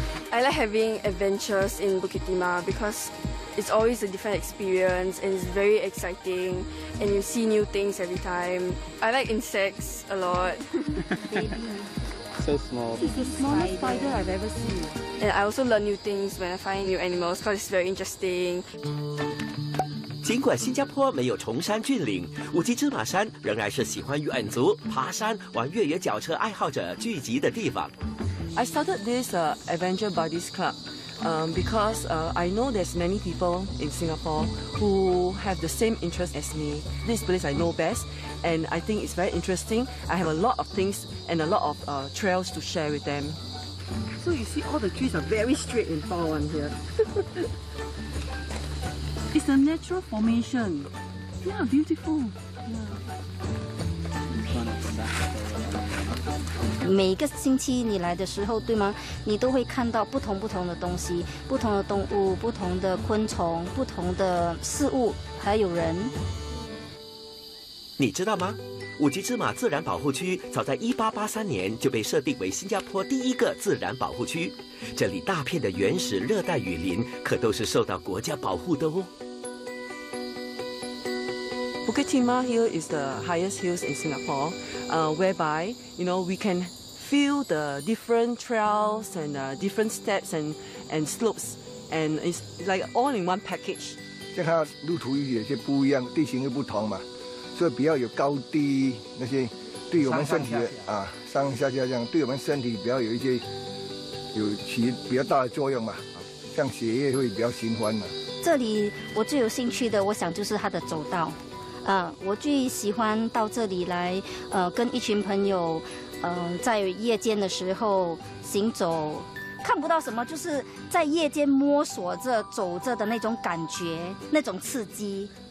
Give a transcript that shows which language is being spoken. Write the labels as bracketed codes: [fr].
[en] I like having adventures in Bukit Timah because it's always a different experience and it's very exciting, and you see new things every time. I like insects a lot. So small. This is the smallest spider I've ever seen. And I also learn new things when I find new animals because it's very interesting. [zh] 尽管新加坡没有崇山峻岭，五级芝麻山仍然是喜欢远足、爬山、玩越野脚车爱好者聚集的地方。 [en] I started this adventure buddies club because I know there's many people in Singapore who have the same interest as me. This place I know best, and I think it's very interesting. I have a lot of things and a lot of trails to share with them. So you see all the trees are very straight and tall on here. It's a natural formation. Yeah, beautiful. Yeah. [zh] 每个星期你来的时候，对吗？你都会看到不同的东西，不同的动物，不同的昆虫，不同的事物，还有人。你知道吗？五级芝麻自然保护区早在1883年就被设定为新加坡第一个自然保护区，这里大片的原始热带雨林可都是受到国家保护的哦。 [en] Bukit Timah Hill is the highest hills in Singapore, whereby you know we can feel the different trails and different steps and slopes, and it's like all in one package. [zh] 就它路途有些不一样，地形又不同嘛。所以比较有高低那些，对我们身体上上下下啊上下下这样，对我们身体比较有一些有起比较大的作用嘛，像血液会比较循环嘛。这里我最有兴趣的，我想就是它的走道。我最喜欢到这里来，跟一群朋友，在夜间的时候行走，看不到什么，就是在夜间摸索着走着的那种感觉，那种刺激。